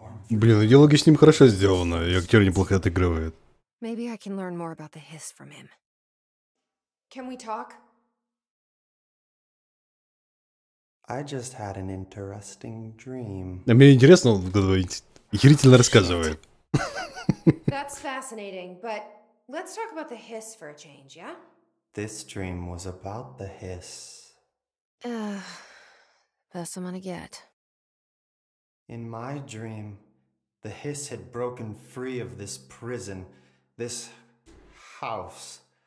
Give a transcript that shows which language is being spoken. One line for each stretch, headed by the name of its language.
Russian: Блин, диалоги с ним хорошо сделаны, и актер неплохо отыгрывает.
English: Maybe I can learn more about the hiss from him. Can we talk? I just had an interesting dream.
Russian: А мне интересно, он говорит, охерительно рассказывает.
English: That's fascinating, but let's talk about the hiss for a change, yeah? This dream was about the hiss. Best I'm gonna get. In my dream, the hiss had broken free of this prison, this house.